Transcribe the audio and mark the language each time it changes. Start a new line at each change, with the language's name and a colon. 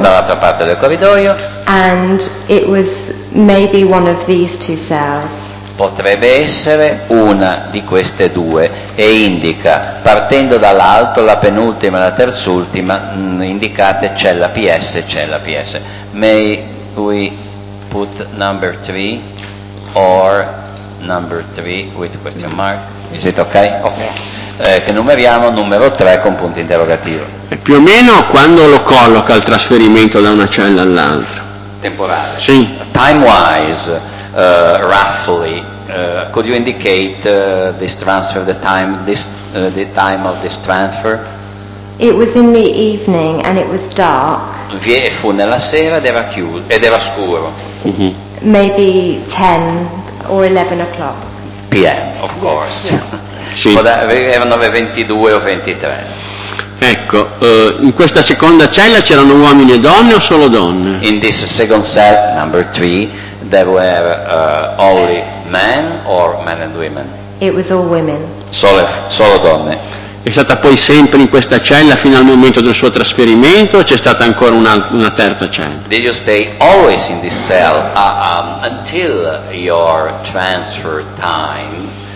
Italian: Dall'altra parte del corridoio.
English: And it was maybe one of these two cells.
Italian: Potrebbe essere una di queste due e indica, partendo dall'alto, la penultima e la terz'ultima, indicate cella PS, cella PS.
English: May we put number 3 or number 3 with question mark? Is it okay? Ok.
Italian: Che numeriamo numero 3 con punto interrogativo. E più o meno quando lo colloca il trasferimento da una cella all'altra? Temporale. Sì.
English: Time wise, roughly, could you indicate this transfer, the time of this transfer? It was in the evening and it was dark.
Italian: Fu nella sera ed era chiuso ed era scuro. Mm-hmm.
English: Maybe 10 or 11 o'clock. P.M. of course. Yeah. Yeah.
Italian: Sì. Erano le 22 o 23. Ecco, in questa seconda cella c'erano uomini e donne o solo donne?
English: In this second cell, number 3, there were only men or men and women? It was all women.
Italian: Solo donne. È stata poi sempre in questa cella fino al momento del suo trasferimento o c'è stata ancora una terza cella?
English: Did you stay always in this cell until your transfer time?